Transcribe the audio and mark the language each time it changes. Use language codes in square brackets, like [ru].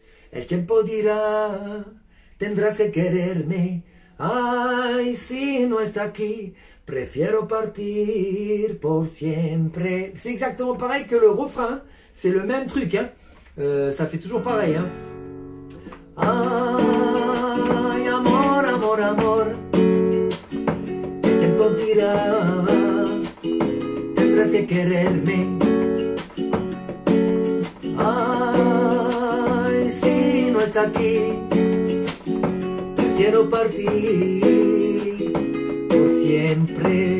[es] El tiempo dirá, tendrás que quererme. Ay, si no está aquí, prefiero partir por siempre. [fr] C'est exactement pareil que le refrain. C'est le même truc, hein. Ça fait toujours pareil, hein. [es] Ay, amor, amor, amor. El tiempo dirá, tendrás que quererme. Ay, si no está aquí, prefiero partir por siempre.